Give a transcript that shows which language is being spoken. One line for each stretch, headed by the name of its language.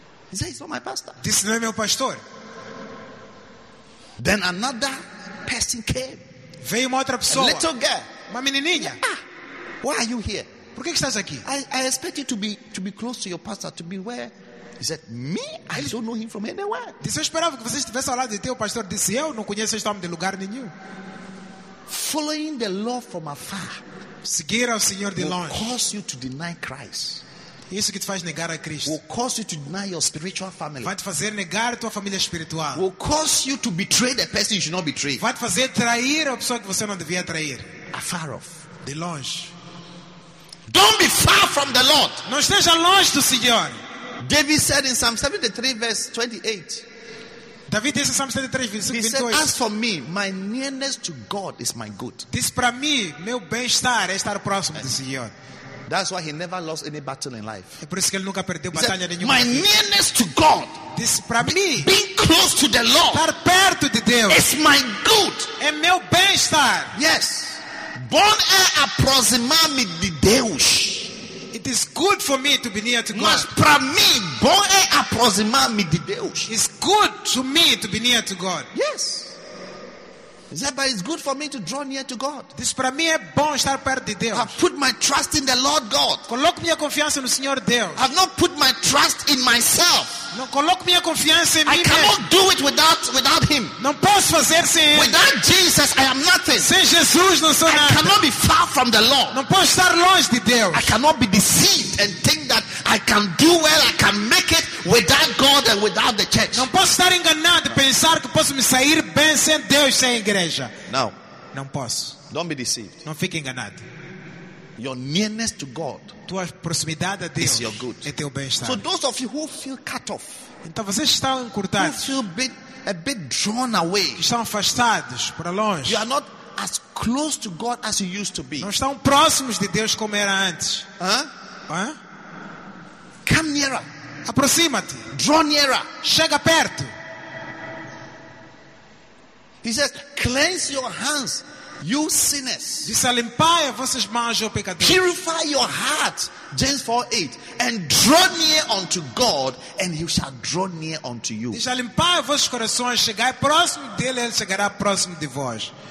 English: He said, he's not my pastor.
Portuguese: This não é meu pastor.
English: Then another person came.
Portuguese: Veio uma outra pessoa.
English: A little girl.
Portuguese: Uma menininha.
English: Ah, why are you here?
Portuguese: Por que estás aqui?
English: I expect you to be close to your pastor, to be where. He said, me? I don't know him from anywhere.
Portuguese: Disse, eu esperava que você estivesse ao lado de teu pastor. Disse, eu não conheço este homem de lugar nenhum.
English: Following the law from afar.
Portuguese: Seguir ao Senhor de longe.
English: Cause you to deny Christ.
Portuguese: Isso que te faz negar a Cristo.
English: Will cause you to deny your spiritual family.
Portuguese: Vai te fazer negar a tua família espiritual.
English: Will cause you to betray the person you should not betray.
Portuguese: Vai te fazer trair a pessoa que você não devia trair.
English: Afar off.
Portuguese: De longe.
English: Don't be far from the Lord.
Portuguese: Não esteja longe do Senhor.
English: David said in Psalm 73 verse 28.
Portuguese: David disse em
English: Psalm 73 verse 28. He said, as for me, my nearness to God is my good.
Portuguese: Diz para mim, meu bem-estar é estar próximo do Senhor.
English: That's why he never lost any battle in life.
Portuguese: É por isso que ele nunca perdeu batalha nenhuma.
English: My nearness to God.
Portuguese: Diz para mim,
English: being close to the Lord.
Portuguese: Estar perto de Deus.
English: Is my good.
Portuguese: É meu bem-estar. Yes. Bom é aproximar-me de Deus.
English: It is good for me to be near to God.
Portuguese: Mas para mim, bom é aproximar-me de Deus.
English: It's good to me to be near to God. Yes. Is that, but it's good for me to draw near to God.
Portuguese: This para mim é bom estar perto de Deus.
English: I've put my trust in the Lord God.
Portuguese: Coloco minha confiança no Senhor Deus.
English: I've not put my trust in myself.
Portuguese: Não coloco minha confiança em mim.
English: I cannot do it without Him.
Portuguese: Não posso fazer sem Ele.
English: Without Jesus, I am nothing.
Portuguese: Sem Jesus, não sou nada.
English: I cannot be far from the Lord.
Portuguese: Não posso estar longe de Deus.
English: I cannot be deceived and think that I can do well, I can make it without God and without the church.
Portuguese: Não posso estar enganado e pensar que posso me sair bem sem Deus, sem igreja. Não. Não posso.
English: Don't be deceived.
Portuguese: Não fique enganado.
English: Your nearness to God.
Portuguese: Tua proximidade a Deus.
English: Is your good.
Portuguese: É teu bem-estar.
English: So those of you who feel cut off.
Portuguese: Então vocês estão encurtados.
English: Who feel a bit drawn away.
Portuguese: Estão afastados para longe.
English: You are not as close to God as you used to be.
Portuguese: Não estão próximos de Deus como era antes. Hã? Hã?
English: Come nearer.
Portuguese: Aproxima-te.
English: Draw nearer.
Portuguese: Chega perto.
English: He says, cleanse your hands, you sinners.
Portuguese: Diz, limpai as vossas mãos, ó pecadores.
English: Purify your heart, James 4:8, and draw near unto God, and He shall draw near unto you.
Portuguese: Diz, limpai as vossos corações, chegai próximo dele, ele chegará próximo de vós.